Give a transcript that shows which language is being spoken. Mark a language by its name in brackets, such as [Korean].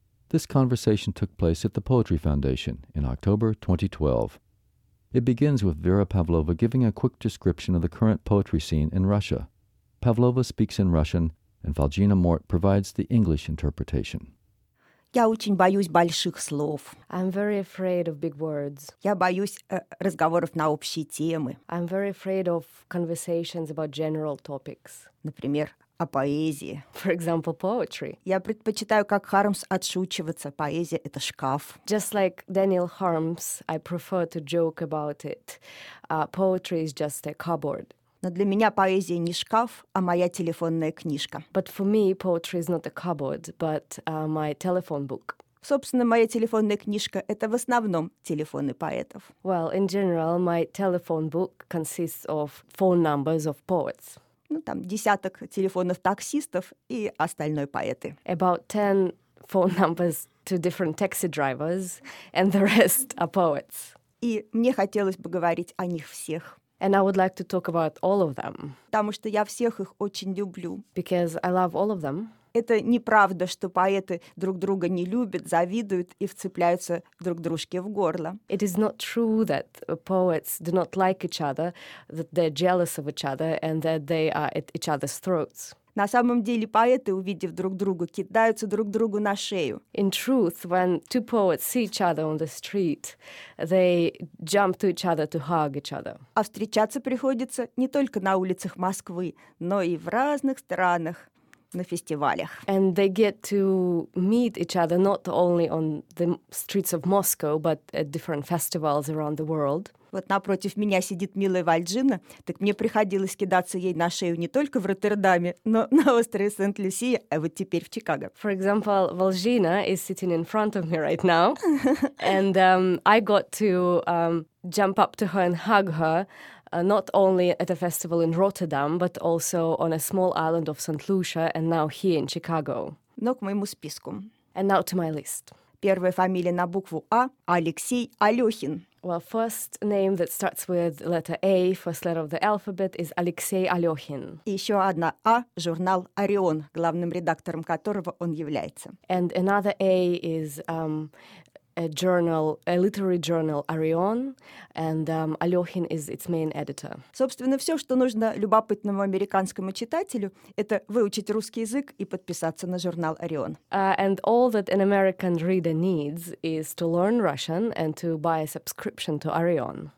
[English] This conversation took place at the Poetry Foundation in October 2012. It begins with Vera Pavlova giving a quick description of the current poetry scene in Russia. Pavlova speaks in Russian, and Valjina Mort provides the English interpretation. [Russian] Я очень боюсь больших слов. [English] I'm very afraid of big words. [Russian] Я боюсь разговоров на общие темы. [English] I'm very afraid of conversations about general topics. [Russian] Например, о поэзии. [English] For example, poetry. [Russian] Я предпочитаю, как Хармс, отшучиваться. Поэзия — это шкаф. [English] Just like Daniel Harms, I prefer to joke about it. Poetry is just a cupboard. [Russian] Но для меня поэзия не шкаф, а моя телефонная книжка. [English] But for me, poetry is not a cupboard, but my telephone book. [Russian] Собственно, моя телефонная книжка — это в основном телефоны поэтов. [English] Well, in general, my telephone book consists of phone numbers of poets. [Russian] Ну, там, десяток телефонов таксистов и остальной поэты. [English] About 10 phone numbers to different taxi drivers, and the rest are poets. [Russian] И мне хотелось бы говорить о них всех. [English] And I would like to talk about all of them. [Russian] Потому что я всех их очень люблю. [English] Because I love all of them. [Russian] Это неправда, что поэты друг друга не любят, завидуют и вцепляются друг дружке в горло. [English] It is not true that poets do not like each other, that they're jealous of each other, and that they are at each other's throats. [Russian] На самом деле поэты, увидев друг друга, кидаются друг другу на шею. [English] In truth, when two poets see each other on the street, they jump to each other to hug each other. [Russian] А встречаться приходится не только на улицах Москвы, но и в разных странах. На фестивалях. [English] And they get to meet each other not only on the streets of Moscow, but at different festivals around the world. [Russian] Вот напротив меня сидит милая Вальджина, так мне приходилось кидаться ей на шею не только в Роттердаме, но на острове Сент-Люсия, а вот теперь в Чикаго. [English] For example, Valjina is sitting in front of me right now, and I got to jump up to her and hug her. Not only at a festival in Rotterdam, but also on a small island of St. Lucia, and now here in Chicago. [Russian] Но к моему списку. [English] And now to my list. [Russian] Первая фамилия на букву А – Алексей Алёхин. [English] Well, first name that starts with letter A, first letter of the alphabet, is Алексей Алёхин. [Russian] И ещё одна А – журнал «Орион», главным редактором которого он является. [English] And another A is a journal, a literary journal, Orion, and Алёхин is its main editor. [Russian] Собственно, всё, что нужно любопытному американскому читателю, это выучить русский язык и подписаться на журнал Orion. [English] And all that an American reader needs is to learn Russian and to buy a subscription to Orion.